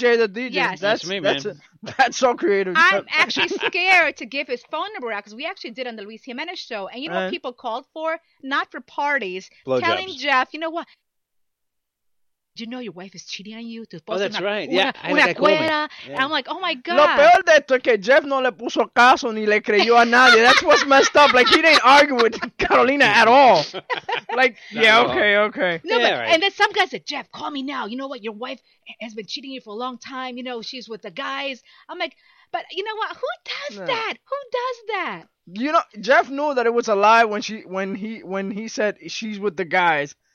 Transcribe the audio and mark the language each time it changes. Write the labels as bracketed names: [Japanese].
[English] JJ the DJ. Yes. That's me, man. That's so creative. I'm actually scared to give his phone number out, because we actually did on the Luis Jimenez show, and you know what people called for? Not for parties. Blow telling jobs. Jeff, you know what? Do you know your wife is cheating on you? That's right. I'm like, oh my God. [Spanish] Lo peor de esto es que Jeff no le puso caso ni le creyó a nadie. [English] That's what's messed up. Like, he didn't argue with Carolina at all. Like, okay. No, yeah, but right. And then some guy said, Jeff, call me now. You know what? Your wife has been cheating you for a long time. You know, she's with the guys. I'm like, but you know what? Who does that? Who does that? You know, Jeff knew that it was a lie when he said she's with the guys.